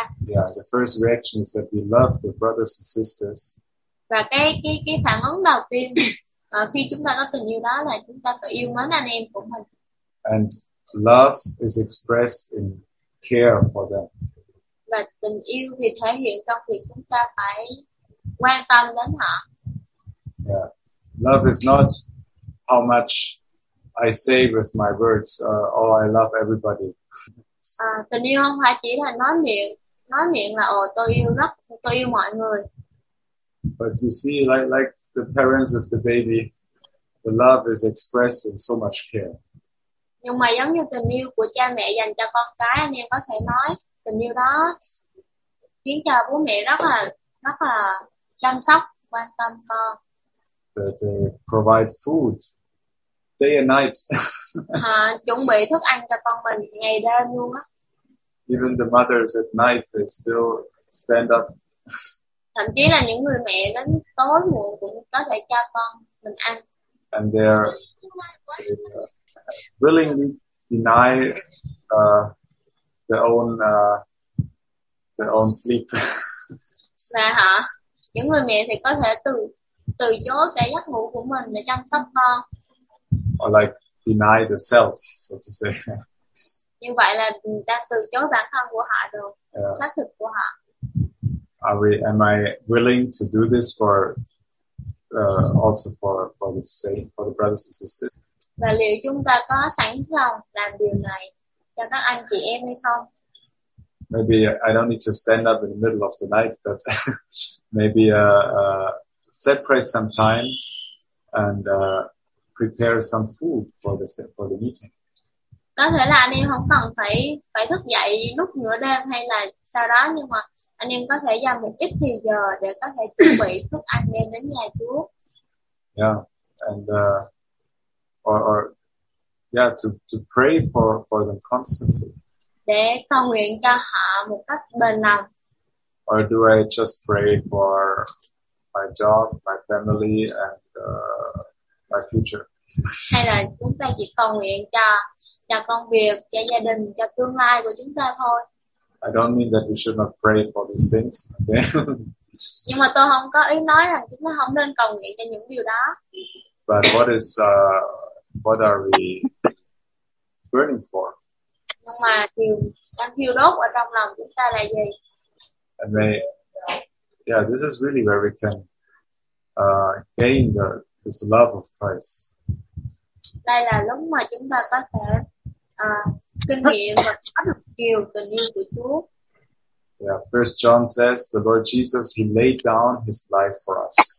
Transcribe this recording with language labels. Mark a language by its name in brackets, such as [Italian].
[English] Yeah, the first reaction is that we love the brothers and sisters. [Vietnamese] Và cái phản ứng đầu tiên khi chúng ta có tình yêu đó là chúng ta phải yêu mến anh em của mình. [English] And love is expressed in care for them. [Vietnamese] Và tình yêu thì thể hiện trong việc chúng ta phải quan tâm đến họ. [English] Yeah, love is not how much I say with my words, oh, I love everybody. [Vietnamese] Tình yêu không phải chỉ là nói miệng là tôi yêu mọi người. [English] But you see, like the parents with the baby, the love is expressed in so much care. [Vietnamese] Nhưng mà giống như tình yêu của cha mẹ dành cho con cái, anh em có thể nói tình yêu đó khiến cho bố mẹ rất là chăm sóc, quan tâm con. [English] That they provide food day and night. [Vietnamese] Chuẩn bị thức ăn cho con mình ngày đêm luôn á. [English] Even the mothers at night, they still stand up. [Vietnamese] Thậm chí là những người mẹ đến tối muộn cũng có thể cho con mình ăn. [English] And they willingly deny their own sleep. [Vietnamese] Và họ, những người mẹ thì có thể từ chối cái giấc ngủ của mình để chăm sóc con. [English] Or like deny the self, so to say. [Vietnamese] Như vậy là đang từ chối bản thân của họ rồi, xác thực của họ. [English] Am I willing to do this for the brothers and sisters? [Vietnamese] Và liệu chúng ta có sẵn lòng làm điều này cho các anh chị em hay không? [English] Maybe I don't need to stand up in the middle of the night, but maybe separate some time and prepare some food for the meeting. [Vietnamese] Có thể là anh em không cần phải thức dậy lúc nửa đêm hay là sau đó, nhưng mà anh em có thể dành một ít thời giờ để có thể chuẩn bị thức ăn đem đến nhà Chúa. [English] Yeah, and to pray for them constantly. [Vietnamese] Để cầu nguyện cho họ một cách bền lòng. [English] Or do I just pray for my job, my family, and my future? [Vietnamese] Hay là chúng ta chỉ cầu nguyện cho công việc, cho gia đình, cho tương lai của chúng ta thôi. [English] I don't mean that we should not pray for these things, okay? [Vietnamese] Nhưng mà tôi không có ý nói rằng chúng ta không nên cầu nguyện cho những điều đó. [English] But what are we burning for? [Vietnamese] Nhưng mà điều đang thiêu đốt ở trong lòng chúng ta là gì? [English] And may, yeah, this is really where we can gain this love of Christ. [Vietnamese] Đây là lúc mà chúng ta có thể kinh nghiệm và có được điều tình yêu của Chúa. [English] Yeah, First John says the Lord Jesus, he laid down his life for us.